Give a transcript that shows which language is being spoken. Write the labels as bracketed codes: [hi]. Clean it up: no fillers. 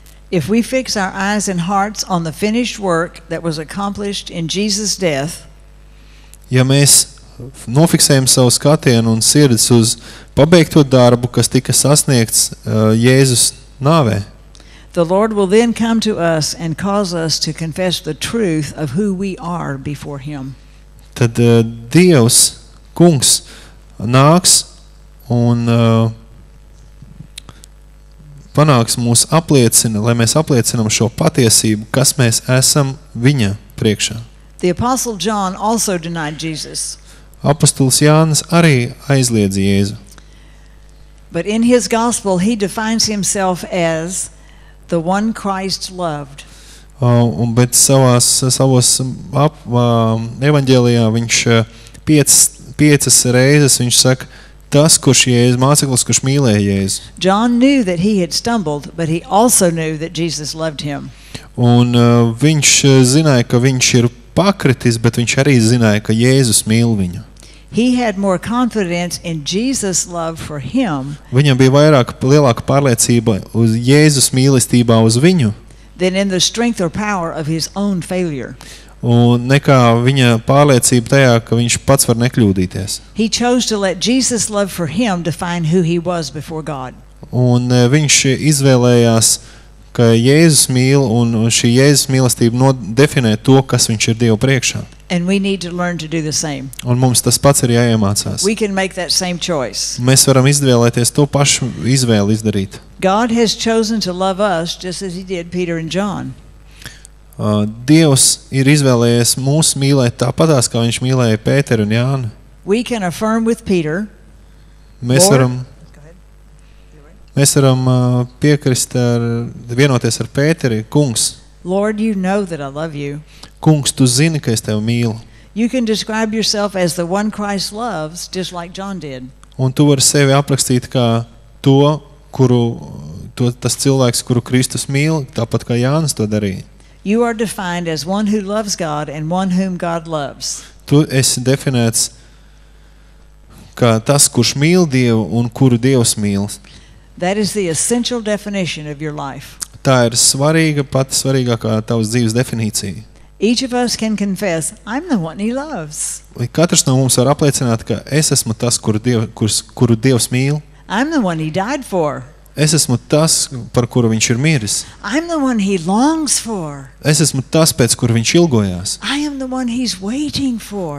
[en] If we fix our eyes and hearts on the finished work that was accomplished in Jesus' death. [lv] Ja mēs nofiksējam savu skatienu un sirds uz pabeigto darbu, kas tika sasniegts Jēzus nāvē. [en] The Lord will then come to us and cause us to confess the truth of who we are before him. [lv] Tad Dievs, Kungs nāks un panāks mūs apliecina, lai mēs apliecinām šo patiesību, kas mēs esam viņa priekšā. [en] The Apostle John also denied Jesus. [lv] Apostols Jānis arī aizliedz Jēzu. [en] But in his gospel he defines himself as the one Christ loved. [lv] Un bet savos evaņģēlijā viņš piecas reizes viņš saka, tas, kurš Jēzus, māceklis, kurš mīlēja Jēzus. [en] John knew that he had stumbled, but he also knew that Jesus loved him. [lv] Un viņš zināja, ka viņš ir pakritis, bet viņš arī zināja, ka Jēzus mīl viņu. [en] He had more confidence in Jesus' love for him. [lv] Viņam bija vairāk lielāka pārliecība uz Jēzus mīlestībā uz viņu. [en] Than in the strength or power of his own failure. [lv] Un nekā viņa pārliecība tajā, ka viņš pats var nekļūdīties. [en] He chose to let Jesus' love for him define who he was before God. [lv] Un viņš izvēlējās, ka Jēzus mīl un šī Jēzus mīlestība definē to, kas viņš ir Dieva priekšā. [en] And we need to learn to do the same. [lv] Un mums tas pats ir jāiemācās. [en] We can make that same choice. [lv] Mēs varam izvēlēties to pašu izvēli izdarīt. [en] God has chosen to love us just as he did Peter and John. [lv] Dievs ir izvēlējies mūs mīlēt tāpatās, kā viņš mīlēja Pēteru un Jānu. [en] We can affirm with Peter. [lv] Mēs varam piekrist ar vienoties ar Pēteri, Kungs. [en] Lord, you know that I love you. [lv] Kungs, tu zini, ka es tevi mīlu. [en] You can describe yourself as the one Christ loves, just like John did. [lv] Un tu vari sevi aprakstīt kā to, kuru to tas cilvēks, kuru Kristus mīl, tāpat kā Jānis to darīja. [en] You are defined as one who loves God and one whom God loves. [lv] Tu esi definēts kā tas, kurš mīl Dievu un kuru Dievs mīl. [en] That is the essential definition of your life. [lv] Tā ir svarīga, pat svarīgākā tavas dzīves definīcija. [en] Each of us can confess, I'm the one he loves. [lv] Katrs no mums var apliecināt, ka es esmu tas, kuru Dievs mīl. [en] I'm the one he died for. [lv] Es esmu tas, par kuru viņš ir miris. [en] I'm the one he longs for. [lv] Es esmu tas, pēc kura viņš ilgojās. [en] I am the one he's waiting for.